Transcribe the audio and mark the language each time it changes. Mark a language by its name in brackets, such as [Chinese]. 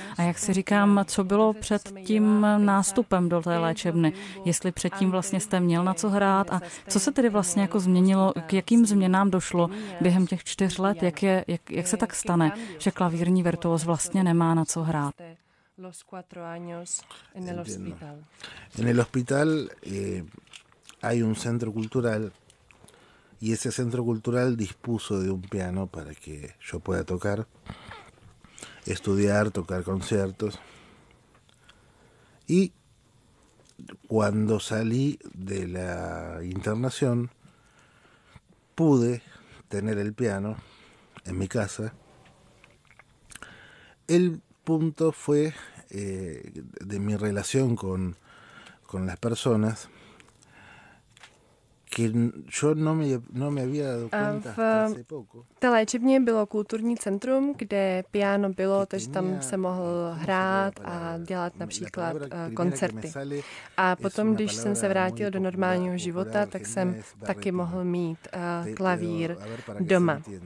[Czech] A jak si říkám, co bylo před tím nástupem do té léčebny, jestli předtím vlastně jste měl na co hrát a co se tedy vlastně jako změnilo, k jakým změnám došlo během těch 4 let, jak se tak stane, že klavírní virtuos vlastně nemá na co hrát. [Spanish] Los 4 años en el hospital. Entiendo. En el hospital hay un centro cultural y ese centro cultural dispuso de un piano para que yo pueda tocar, estudiar, tocar conciertos. Y cuando salí de la internación pude tener el piano en mi casa. El punto fue de mi relación con las personas que yo no me había dado cuenta hace poco. [Czech] V té léčebně bylo kulturní centrum, kde piano bylo, takže tam se mohl hrát a dělat například koncerty. A potom, když jsem se vrátil do normálního života, tak jsem taky mohl mít klavír doma.